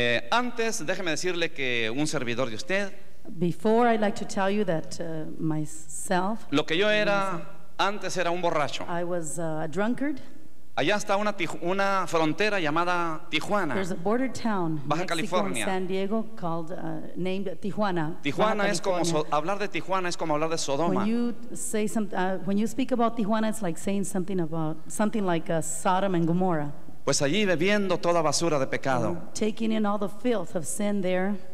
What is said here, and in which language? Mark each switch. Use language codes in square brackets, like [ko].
[es] Antes, déjeme decirle que un servidor de usted. [en] Before, I'd like to tell you that myself. [es] Lo que yo era antes era un borracho. [en] I was a drunkard. [es] Allá está una frontera llamada Tijuana. [en] There's a border town, Baja California, San Diego, called named Tijuana. [es] Tijuana es como hablar de Tijuana es como hablar de Sodoma. [en] When you say when you speak about Tijuana, it's like saying something like Sodom and Gomorrah. [es] Pues allí bebiendo toda basura de pecado. [en] Taking in all the filth of sin there.